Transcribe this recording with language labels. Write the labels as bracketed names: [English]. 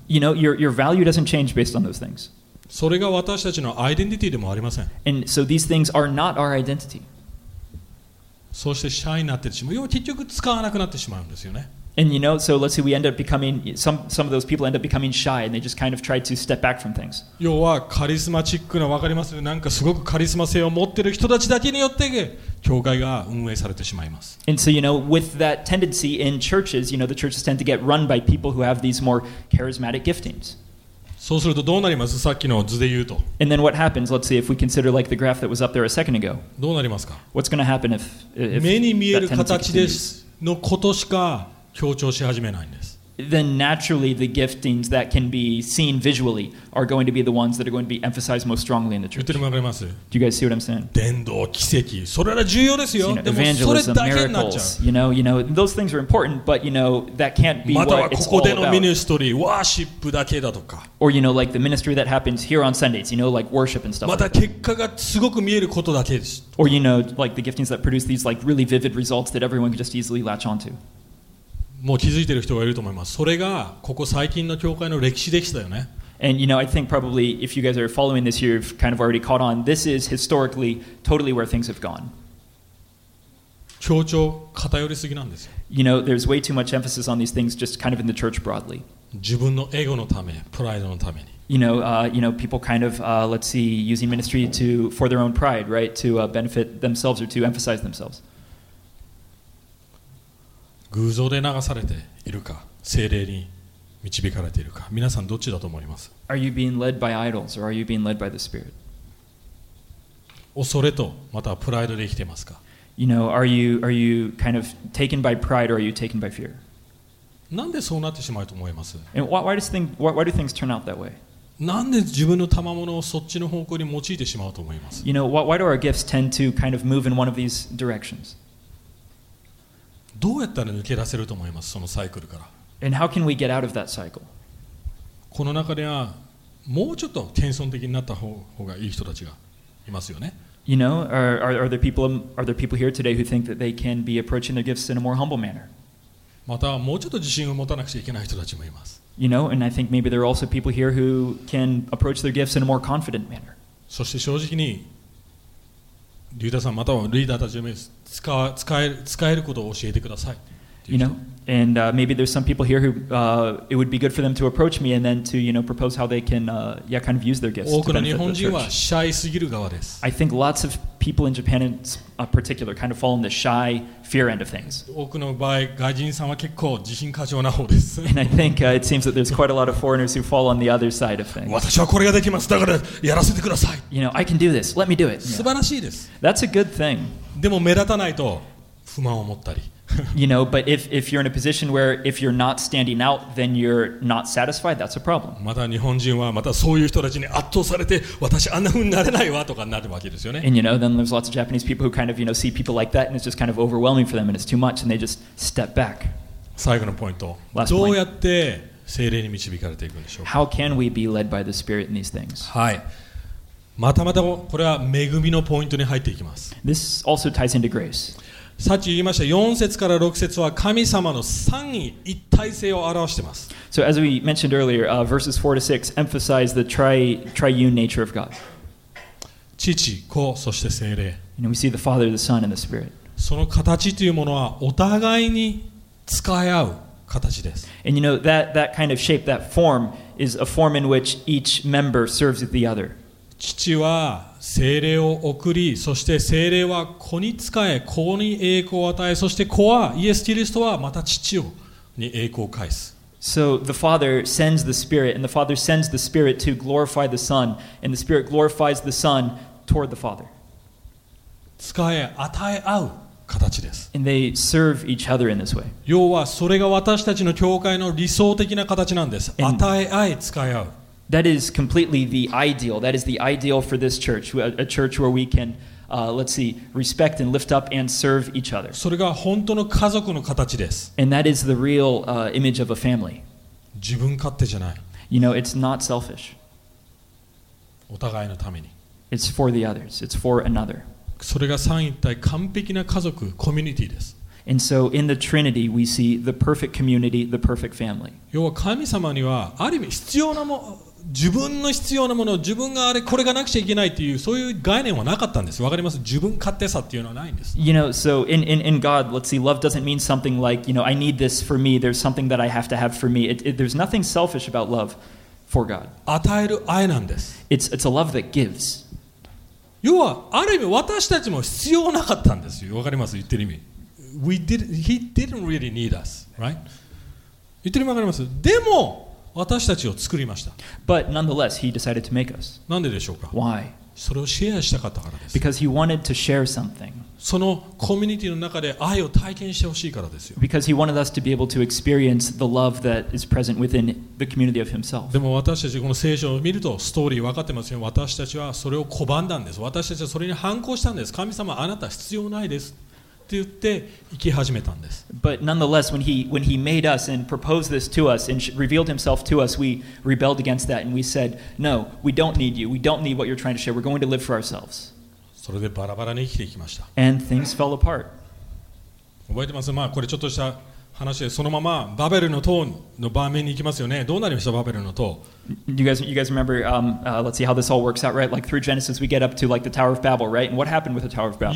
[English] You know, your value doesn't change based on those things. [Japanese] それが私たちのアイデンティティでもありません。 [English] And so these things are not our identity. [Japanese] そしてシャイになってしまう。要は結局使わなくなってしまうんですよね。 [English] And you know, so let's see, we end up becoming, some of those people end up becoming shy and they just kind of try to step back from things. [Japanese] 要はカリスマチックな、わかります?なんかすごくカリスマ性を持ってる人たちだけによって教会が運営されてしまいます。 [English] And so, you know, with that tendency in churches, you know, the churches tend to get run by people who have these more charismatic giftings. [Japanese] そうするとどうなります? さっきの図で言うと。 [English] And then what happens? Let's see if we consider like the graph that was up there a second ago. [Japanese] どうなりますか? [English] What's going to happen if that tendency continues? [Japanese] 目に見える形ですのことしか強調し始めないんです。 [English] Then naturally the giftings that can be seen visually are going to be the ones that are going to be emphasized most strongly in the church. [Japanese] 言ってるのわかります? [English] Do you guys see what I'm saying? [Japanese] 伝道、奇跡、それら重要ですよ。でもそれだけになっちゃう。 [English] You know, those things are important, but you know, that can't be what it's all about. [Japanese] またはここでのミニストリー、ワーシップだけだとか。 [English] Or you know, like the ministry that happens here on Sundays, you know, like worship and stuff [Japanese] また結果がすごく見えることだけです。 [English] Or you know, like the giftings that produce these like really vivid results that everyone could just easily latch onto. [Japanese] もう気づいてる人がいると思います。それがここ最近の教会の歴史でしたよね。 [English] And you know, I think probably if you guys are following this, you've kind of already caught on. This is historically totally where things have gone. [Japanese] 強調偏りすぎなんですよ。 [English] You know, there's way too much emphasis on these things just kind of in the church broadly. [Japanese] 自分のエゴのため、プライドのために。 [English] You know, people kind of, let's see, using ministry to for their own pride, right? To benefit themselves or to emphasize themselves. [Japanese] 偶像で流されているか、聖霊に導かれているか、皆さんどっちだと思います? [English] Are you being led by idols or are you being led by the spirit? [Japanese] 恐れと、またはプライドで生きていますか? [English] You know, are you kind of taken by pride or are you taken by fear? [Japanese] なんでそうなってしまうと思います? [English] And why do things turn out that way? [Japanese] なんで自分の賜物をそっちの方向に用いてしまうと思います? [English] You know, why do our gifts tend to kind of move in one of these directions? [Japanese] どうやったら抜け出せると思います、そのサイクルから。 [English] And how can we get out of that cycle? [Japanese] この中ではもうちょっと謙遜的になった方がいい人たちがいますよね。 [English] You know, are there people here today who think that they can be approaching their gifts in a more humble manner? [Japanese] またはもうちょっと自信を持たなくちゃいけない人たちもいます。 [English] You know, and I think maybe there are also people here who can approach their gifts in a more confident manner. [Japanese] そして正直に、リュータさんまたはリーダーたちも使えることを教えてください。 [English] You know, and maybe there's some people here who it would be good for them to approach me and then to you know propose how they can yeah kind of use their gifts. [Japanese] 多くの日本人はシャイすぎる側です。 [English] I think lots of people in Japan in particular kind of fall in the shy fear end of things. [Japanese] 多くの場合外人さんは結構自信過剰な方です。 [English] And I think it seems that there's quite a lot of foreigners who fall on the other side of things. [Japanese] 私はこれができます。だからやらせてください。 [English] You know, I can do this. Let me do it. [Japanese] 素晴らしいです。 [English] That's a good thing. [Japanese] でも目立たないと不満を持ったり。 [English] You know, but if you're in a position where if you're not standing out, then you're not satisfied, that's a problem. [Japanese] また日本人はまたそういう人たちに圧倒されて、私あんな風になれないわとかになるわけですよね。 [English] And you know, then there's lots of Japanese people who kind of, you know, see people like that and it's just kind of overwhelming for them and it's too much and they just step back. [Japanese] 最後のポイント。 [English] Last point. [Japanese] どうやって聖霊に導かれていくんでしょうか? [English] How can we be led by the Spirit in these things? [Japanese] はい。またまたこれは恵みのポイントに入っていきます。 [English] This also ties into grace. [Japanese] さっき言いました4節から6節は神様の三位一体性を表しています。 [English] So as we mentioned earlier, verses 4 to 6 emphasize the triune nature of God. [Japanese] 父、子、そして聖霊。 [English] You know, we see the Father, the Son, and the Spirit. [Japanese] その形というものはお互いに使い合う形です。 [English] And you know, that kind of shape, that form, is a form in which each member serves the other. [Japanese] 父は聖霊を送り、そして聖霊は子に仕え、子に栄光を与え、そして子はイエス・キリストはまた父をに栄光を返す。 [English] So the Father sends the Spirit, and the Father sends the Spirit to glorify the Son, and the Spirit glorifies the Son toward the Father. [Japanese] 仕え、与え合う形です。 [English] And they serve each other in this way. [Japanese] 要はそれが私たちの教会の理想的な形なんです。 [English] And、 [Japanese] 与え合い使い合う。 [English] That is completely the ideal. That is the ideal for this church, a church where we can,、let's see, respect and lift up and serve each other. [Japanese] それが本当の家族の形です。 [English] And that is the real、image of a family. [Japanese] 自分勝手じゃない。 [English] You know, it's not selfish. [Japanese] お互いのために。 [English] It's for the others. It's for another. [Japanese] それが三一体完璧な家族、コミュニティです。 [English] And so in the Trinity, we see the perfect community, the perfect family. [Japanese] 要は神様にはある意味必要なもの、自分の必要なもの、自分があれこれがなくちゃいけないというそういう概念はなかったんです。わかります？自分勝手さっていうのはないんです。 [English] You know, so in God, let's see, love doesn't mean something like, you know, I need this for me. There's something that I have to have for me. There's nothing selfish about love for God. [Japanese] 与える愛なんです。 [English] It's a love that gives. [Japanese] 要はある意味私たちも必要なかったんですよ。わかります？言ってる意味。 [English] He didn't really need us, right? [Japanese] 言ってる意味わかります？でも私たちを作りました。 [English] But nonetheless, he decided to make us. [Japanese] なんででしょうか？ [English] Why? [Japanese] それをシェアしたかったからです。 [English] Because he wanted to share something. [Japanese] そのコミュニティの中で愛を体験してほしいからですよ。 [English] Because he wanted us to be able to experience the love that is present within the community of himself. [Japanese] でも私たちこの聖書を見るとストーリー分かってますよ。私たちはそれを拒んだんです。私たちはそれに反抗したんです。神様、あなた必要ないです。って言って生き始めたんです。 [English] But nonetheless, when he made us and proposed this to us and revealed himself to us, we rebelled against that and we said, no, we don't need you. We don't need what you're trying to share. We're going to live for ourselves. [Japanese] それでバラバラに生きていきました。 [English] And things fell apart. [Japanese] 覚えてます？まあこれちょっとした話でそのままバベルの塔の場面に行きますよね。どうなりました？バベルの塔。 [English] You guys remember? Let's see how this all works out, right? Like through Genesis, we get up to like the Tower of Babel, right? And what happened with the Tower of Babel?